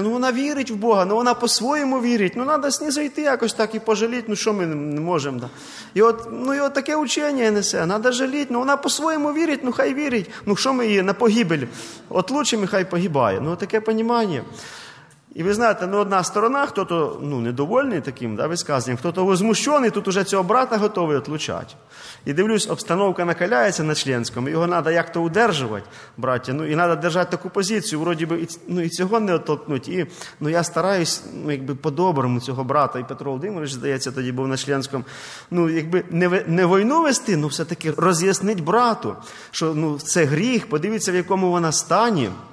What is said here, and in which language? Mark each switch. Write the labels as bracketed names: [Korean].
[Ukrainian] Ну, вона вірить в Бога, ну, вона по-своєму вірить, ну, треба знизойти якось так і пожаліти, ну, що ми не можемо? Да? І от, ну, і от таке учення несе, треба жаліти, ну, вона по-своєму вірить, ну, хай вірить, ну, що ми її на погибель? От лучше, хай погибає, ну, таке понімання. [Russian] И вы знаете, ну, одна сторона, кто-то, ну, недовольний таким, да, высказанием, кто-то возмущенный, тут уже цього брата готовий отлучать. [Ukrainian] И дивлюсь, обстановка накаляється на членському, його надо як-то удержувати, браття, ну, і надо держати таку позицію, вроді би, ну, і цього не оттолкнути. І, ну, я стараюсь, ну, якби, по-доброму цього брата, і Петро Володимирович, здається, тоді був на членському, ну, якби, не війну вести, ну, все-таки роз'яснить брату, що, ну, це гріх, подивіться, в якому вона стані.